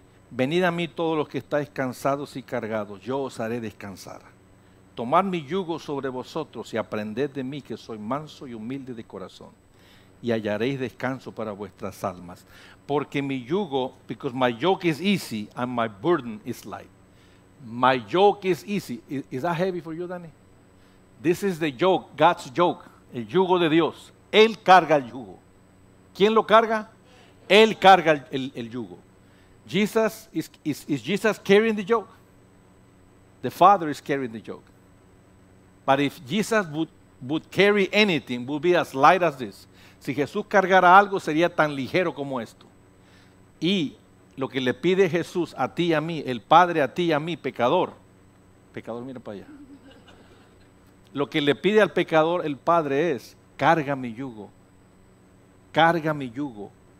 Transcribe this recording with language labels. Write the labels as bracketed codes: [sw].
[es] Venid a mí todos los que estáis cansados y cargados, yo os haré descansar. Tomad mi yugo sobre vosotros y aprended de mí que soy manso y humilde de corazón. Y hallaréis descanso para vuestras almas. Porque mi yugo, [en] because my yoke is easy and my burden is light. My yoke is easy. Is that heavy for you, Danny? This is the yoke, God's yoke, [es] el yugo de Dios. Él carga el yugo. ¿Quién lo carga? Él carga el yugo. [en] Jesus, is Jesus carrying the yoke? The Father is carrying the yoke. But if Jesus would carry anything, would be as light as this. [es] Si Jesús cargara algo, sería tan ligero como esto. Y lo que le pide Jesús a ti y a mí, el Padre a ti y a mí, pecador. Pecador, mira para allá. Lo que le pide al pecador el Padre es, carga mi yugo. Carga mi yugo.